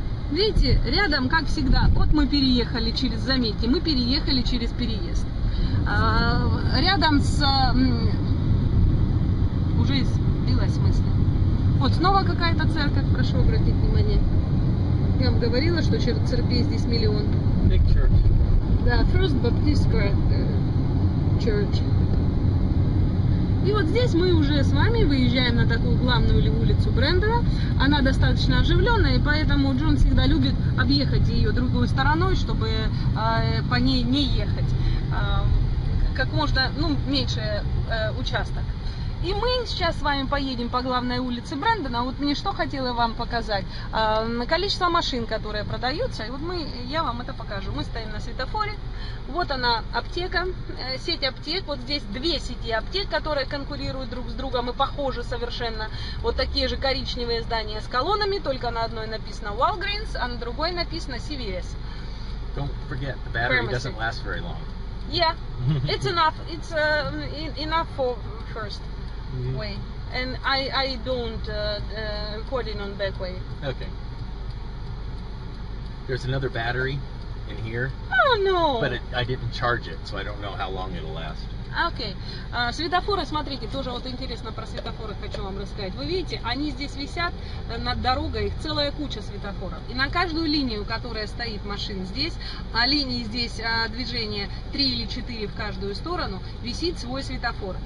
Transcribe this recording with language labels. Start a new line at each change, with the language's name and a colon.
Russian: Видите, рядом, как всегда, вот мы переехали через, заметьте, мы переехали через переезд. Рядом с... уже сбилась мысль. Вот снова какая-то церковь, прошу обратить внимание. Я вам говорила, что церквей здесь миллион.
English: Big church.
Russian: Да, First Baptist Church. И вот здесь мы уже с вами выезжаем на такую главную улицу Брэндона. Она достаточно оживленная, и поэтому Джон всегда любит объехать ее другой стороной, чтобы по ней не ехать. Как можно, ну, меньше участок. И мы сейчас с вами поедем по главной улице Брэндона. Вот мне что хотела вам показать. Количество машин, которые продаются. И вот мы, я вам это покажу. Мы стоим на светофоре. Вот она аптека, сеть аптек. Вот здесь две сети аптек, которые конкурируют друг с другом и похожи совершенно. Вот такие же коричневые здания с колоннами. Только на одной написано Walgreens, а на другой написано CVS.
English: Don't forget, the battery doesn't last very long. Yeah, it's enough. It's enough for first way, and I don't recording on back way. Okay. There's another battery in here. Oh no! But I didn't charge it, so I don't know how long it'll last.
Russian: Окей. Светофоры, смотрите, тоже вот интересно про светофоры хочу вам рассказать. Вы видите, они здесь висят над дорогой, их целая куча светофоров. И на каждую линию, которая стоит машин здесь, а линии здесь движения 3 или 4 в каждую сторону, висит свой светофор.